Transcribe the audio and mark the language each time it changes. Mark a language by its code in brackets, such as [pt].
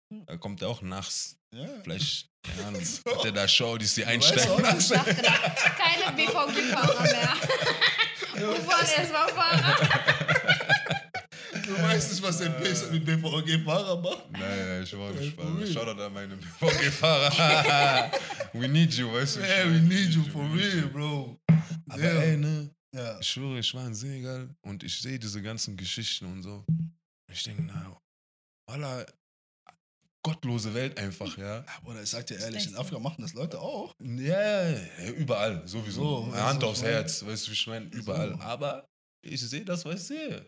[de] Da kommt der auch nachts. Vielleicht, keine Ahnung, hat der da Show, die sie einsteigen lassen. Keine BVG-Fahrer mehr. U-Bahn-Fahrer. Du weißt nicht, was der BVG-Fahrer macht? Nein, ich war gespannt. Schau da meine BVG-Fahrer. [en] We need you, [de] weißt du? [en] Yeah, we need you for real, bro. [de] Aber ey, ne? Ja. Ich schwöre, ich war in Senegal und ich sehe diese ganzen Geschichten und so. Ich denke, na, voila, gottlose Welt einfach, ja. Bruder, ich sag dir ehrlich, in Afrika machen das Leute auch. Ja, überall, sowieso. So, Hand aufs Herz, weißt du, wie ich meine, überall. So. Aber ich sehe das, was ich sehe.